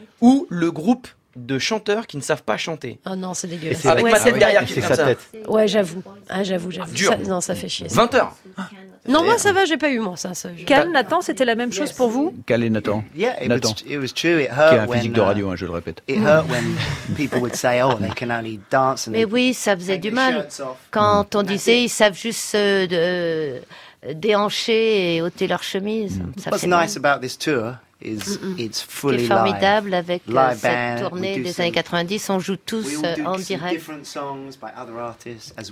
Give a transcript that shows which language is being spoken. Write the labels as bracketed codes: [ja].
[fr] Ou le groupe de chanteurs qui ne savent pas chanter. Oh non, c'est dégueulasse. Avec ma tête derrière qui fait sa tête. Ouais, j'avoue. Ah, dur. Non, ça fait chier. 20h. Non, moi ça va, j'ai pas eu moi ça. Cal, Nathan, c'était la même chose pour vous ? Cal et Nathan. Qui a un physique de radio, je le répète. [en] It hurt when people would say, oh, they can only dance. [fr] Mais oui, ça faisait du mal. Quand on disait, ils savent juste se déhancher et ôter leur chemise. [en] What's nice about this tour? It's fully [fr] qui est formidable [en] live. [fr] Avec live band, cette tournée des années 90, on joue tous en direct. [en] Songs by other artists, as